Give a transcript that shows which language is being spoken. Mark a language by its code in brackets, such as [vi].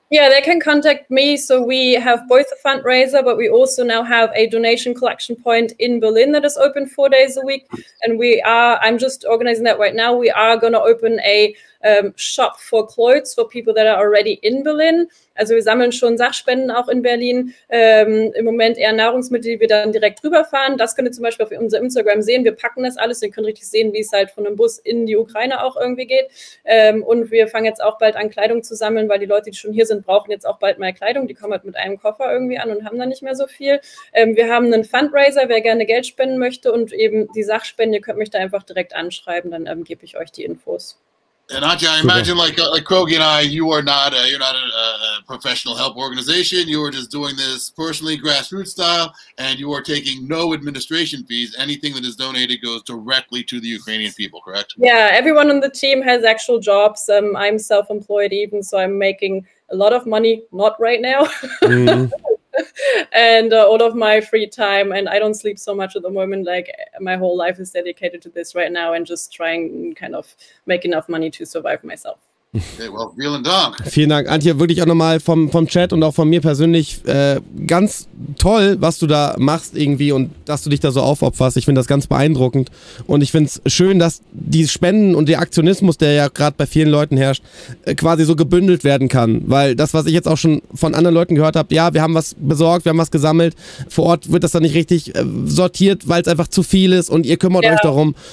[en] Yeah, they can contact me. So we have both a fundraiser, but we also now have a donation collection point in Berlin that is open 4 days a week. And I'm just organizing that right now. We are going to open a shop for clothes for people that are already in Berlin. [de] Also wir sammeln schon Sachspenden auch in Berlin. Im Moment eher Nahrungsmittel, die wir dann direkt rüberfahren. Das könnt ihr zum Beispiel auf unserem Instagram sehen. Wir packen das alles. Ihr könnt richtig sehen, wie es halt von einem Bus in die Ukraine auch irgendwie geht. Und wir fangen jetzt auch bald an, Kleidung zu sammeln, weil die Leute, die schon hier sind, brauchen jetzt auch bald mal Kleidung. Die kommen halt mit einem Koffer irgendwie an und haben dann nicht mehr so viel. Wir haben einen Fundraiser, wer gerne Geld spenden möchte. Und eben die Sachspenden, ihr könnt mich da einfach direkt anschreiben. Dann gebe ich euch die Infos. [en] And Antje, I imagine like Krogi and I, you're not a professional help organization. You are just doing this personally, grassroots style, and you are taking no administration fees. Anything that is donated goes directly to the Ukrainian people, correct? Yeah, everyone on the team has actual jobs. I'm self-employed even, so I'm making a lot of money, not right now. And all of my free time, and I don't sleep so much at the moment, like my whole life is dedicated to this right now and just trying kind of make enough money to survive myself. Okay, well, [de] vielen Dank. Vielen Dank, Antje, wirklich auch nochmal vom Chat und auch von mir persönlich ganz toll, was du da machst irgendwie und dass du dich da so aufopferst. Ich finde das ganz beeindruckend und ich finde es schön, dass die Spenden und der Aktionismus, der ja gerade bei vielen Leuten herrscht, quasi so gebündelt werden kann, weil das, was ich jetzt auch schon von anderen Leuten gehört habe, ja, wir haben was besorgt, wir haben was gesammelt, vor Ort wird das dann nicht richtig sortiert, weil es einfach zu viel ist und ihr kümmert euch darum,